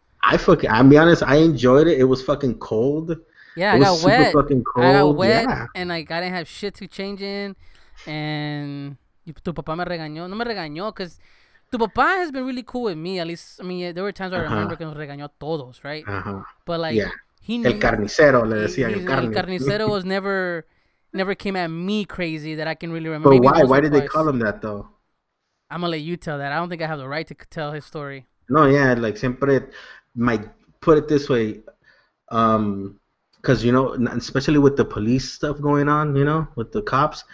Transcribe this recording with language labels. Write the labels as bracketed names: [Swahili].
[English] I'll be honest. I enjoyed it. It was fucking cold. Yeah, I got wet. Fucking cold. I got wet, and like I didn't have shit to change in, and [Spanish] tu papá me regañó. No me regañó, [English] cause [Spanish] tu papá [English] has been really cool with me. At least, I mean, there were times where I remember [Spanish] que nos regañó todos, [English] right? Uh-huh. But like, He knew. [Spanish] El carnicero le decía el carne. [English] El carnicero was never came at me crazy that I can really remember. But maybe why? Why did they call him that though? I'm gonna let you tell that. I don't think I have the right to tell his story. No, yeah, like siempre, put it this way, because, you know, especially with the police stuff going on, you know, with the cops.